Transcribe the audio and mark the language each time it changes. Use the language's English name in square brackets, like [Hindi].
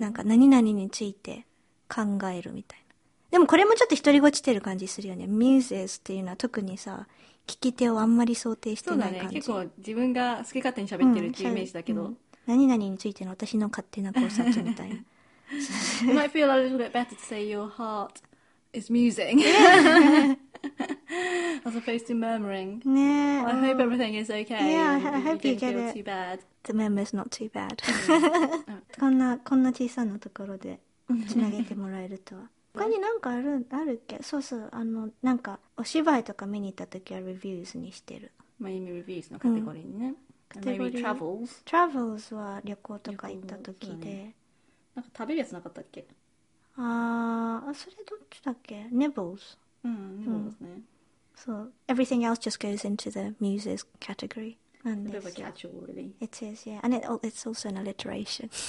[Japanese] なんか何々について考えるみたいな。でもこれもちょっと独り落ちてる感じするよね。ミューゼスっていうのは特にさ、聞き手をあんまり想定してない感じ。そうだね、結構自分が好き勝手に喋ってるっていうイメージだけど、うん、何々についての私の勝手な考察みたいな。 [English] You might feel a little bit better to say your heart is musing as opposed to murmuring. [Japanese] ね、 [English] I hope everything is okay. Yeah, I hope you get it. Too bad. The memory is not too bad. [Japanese] こんな小さなところでつなげてもらえるとは。他に何かあるっけ？そうそう、あのなんかお芝居とか見に行った時はレビューズにしてる。まあ、Amy Reviews のカテゴリーにね。うん、 [English] Maybe travels. [Japanese] Travels は旅行とか行った時で、ね、なんか食べるやつなかったっけ？ああ、それどっちだっけ ？Nibbles。うん、Nibbles ね。 [English] So everything else just goes into the muses category. A bit of a catch-all, really. It is, yeah, and it's also an alliteration.